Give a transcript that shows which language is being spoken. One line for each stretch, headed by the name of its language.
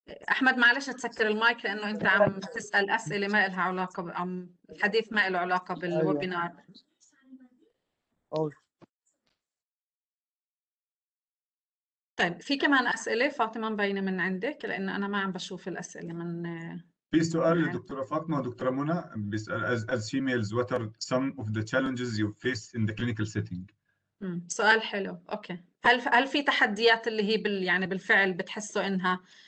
Arabic: أحمد معلش تسكر المايك لأنه أنت عم تسأل أسئلة ما إلها علاقة عم الحديث ما إله علاقة بالويبينار. طيب في كمان أسئلة فاطمة مبينة من عندك، لأنه أنا ما عم بشوف الأسئلة من في سؤال للدكتورة فاطمة ودكتورة منى بيسأل
English: as females what are some of the challenges you face in the clinical setting.
Arabic: سؤال حلو. أوكي، هل في تحديات اللي هي بال يعني بالفعل بتحسوا إنها